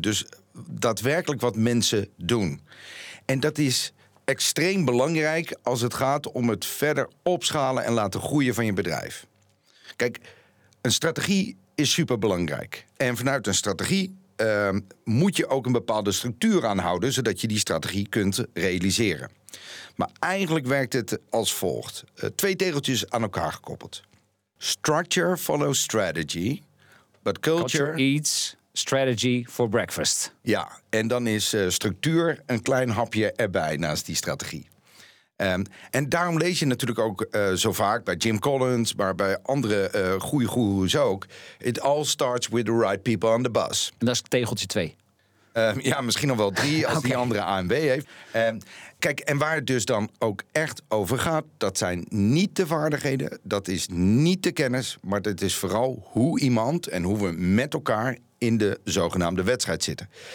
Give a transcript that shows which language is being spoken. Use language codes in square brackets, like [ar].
[nl] Dus daadwerkelijk wat mensen doen. En dat is extreem belangrijk als het gaat om het verder opschalen en laten groeien van je bedrijf. Kijk, een strategie is superbelangrijk. En vanuit een strategie moet je ook een bepaalde structuur aanhouden, zodat je die strategie kunt realiseren. Maar eigenlijk werkt het als volgt. 2 tegeltjes aan elkaar gekoppeld. [en] Structure follows strategy, but culture... Culture eats strategy for breakfast. [nl] Ja, en dan is structuur een klein hapje erbij naast die strategie. En daarom lees je natuurlijk ook zo vaak bij Jim Collins, maar bij andere goede goeroes ook. [en] It all starts with the right people on the bus. [nl] En dat is tegeltje 2. Ja, misschien nog wel 3 als okay. Die andere AMW heeft. Kijk, en waar het dus dan ook echt over gaat, dat zijn niet de vaardigheden, dat is niet de kennis, maar dat is vooral hoe iemand en hoe we met elkaar in de zogenaamde wedstrijd zitten.